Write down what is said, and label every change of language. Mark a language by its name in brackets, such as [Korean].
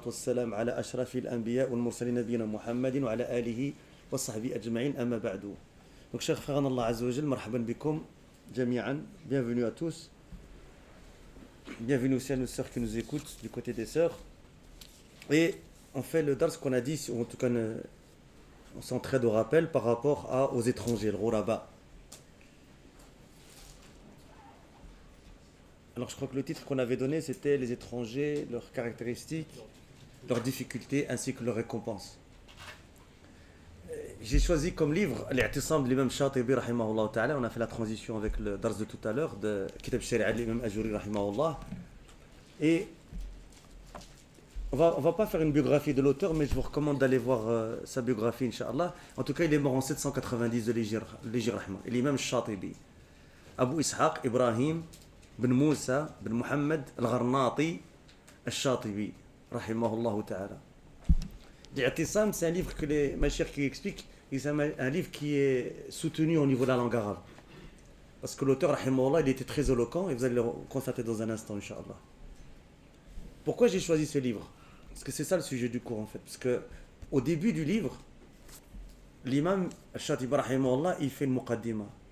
[Arabic] والسلام على أشرف الأنبياء والمرسلين نبينا محمد وعلى آله وصحبه أجمعين أما بعد. دونك شيخ فغان الله عز وجل مرحبا بكم جميعا. [French] Bienvenue à tous. Bienvenue aussi à nos sœurs qui nous écoutent du côté des sœurs. Et en fait, le dars qu'on a dit, ou en tout cas, on s'entraide au rappel par rapport aux étrangers, le Ghuraba. Alors, je crois que le titre qu'on avait donné, c'était les étrangers, leurs caractéristiques, leurs difficultés, ainsi que leurs récompenses. J'ai choisi comme livre l'I'tisam de l'imam Shatibi, rahimahullah ta'ala. On a fait la transition avec le dars de tout à l'heure, de Kitab Shari'a de l'imam Ajuri, rahimahullah. Et on va pas faire une biographie de l'auteur, mais je vous recommande d'aller voir sa biographie, inshallah. En tout cas, il est mort en 790 de l'Hijra, rahimahullah. L'imam Shatibi, Abu Ishaq Ibrahim [Arabic] بن موسى بن محمد الغرناطي الشاطبي رحمه الله تعالى. [French] الاعتصام c'est un livre que les mashaykh qui expliquent, c'est un livre qui est soutenu au niveau de la langue arabe, parce que l'auteur [Arabic] رحمه الله [French] il était très éloquent, et vous allez le constater dans un instant inshallah. Pourquoi j'ai choisi ce livre? Parce que c'est ça le sujet du cours en fait, parce que au début du livre l'imam الشاطبي رحمه الله il fait une muqaddima.